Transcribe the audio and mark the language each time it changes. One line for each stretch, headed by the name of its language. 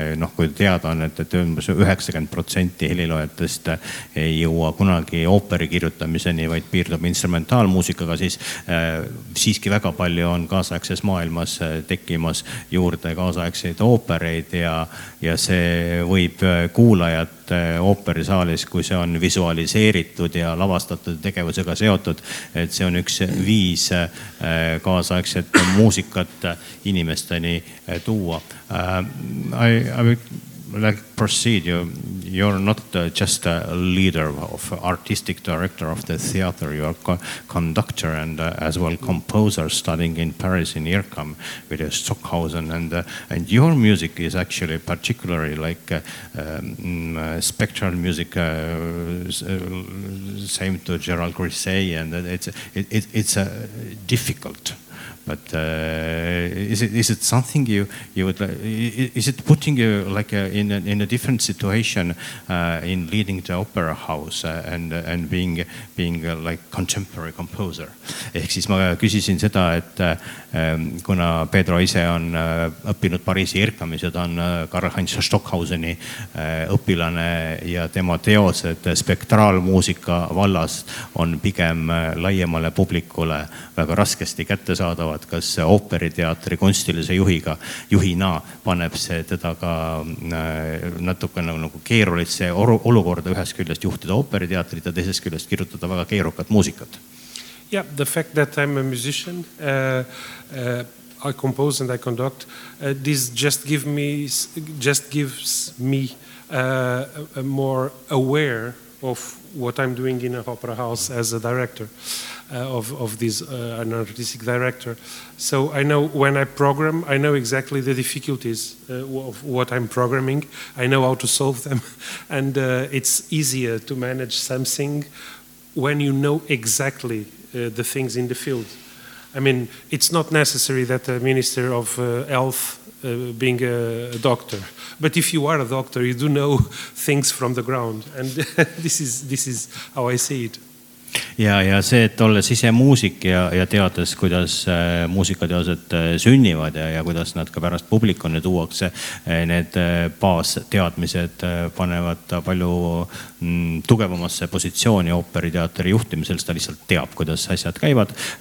Estonian: Noh, kui teada on, et 90% heliloojatest ei jõua kunagi ooperi kirjutamiseni, vaid piirdub instrumentaalmuusikaga, siis siiski väga palju on kaasaegses maailmas tekimas juurde kaasaegseid oopereid ja see võib kuulajat ooperisaalis, kui see on visualiseeritud ja lavastatud tegevusega seotud, et see on üks viis kaasaegset muusikat inimesteni tuua.
English: I would like to proceed. You're not just a leader of artistic director of the theater, you're a conductor and as well composer studying in Paris in IRCAM with Stockhausen, and your music is actually particularly like spectral music, same to Gerald Grisey, and it's a difficult. But is it something you would like, is it putting you like in a different situation in leading the opera house and being like contemporary composer?
Estonian: Ehk siis ma küsisin seda, et kuna Pedro ise on õppinud Pariisi IRCAMis ja ta on Karl-Heinz Stockhauseni õpilane ja tema teosed spektraalmuusika vallas on pigem laiemale publikule väga raskesti kättesaadavad, kas ooperiteatri kunstilise juhina paneb see teda ka natuke nagu keerulise olukorda ühes küljest juhtida ooperiteatrit ja teises küljest kirjutada väga keerukat muusikat.
English: Yeah, the fact that I'm a musician, I compose and I conduct, this just gives me a more aware of what I'm doing in a opera house as a director, of this an artistic director. So I know when I program, I know exactly the difficulties of what I'm programming. I know how to solve them, and it's easier to manage something when you know exactly the things in the field. I mean, it's not necessary that a minister of health being a doctor, but if you are a doctor, you do know things from the ground, and this is how I see it.
Estonian: Ja see, et olles ise muusik ja teades, kuidas muusikateosed sünnivad ja kuidas nad ka pärast publikone tuuakse, need baasteadmised panevad palju tugevamasse positsiooni ooperiteatri juhtimisel, ta lihtsalt teab, kuidas asjad käivad.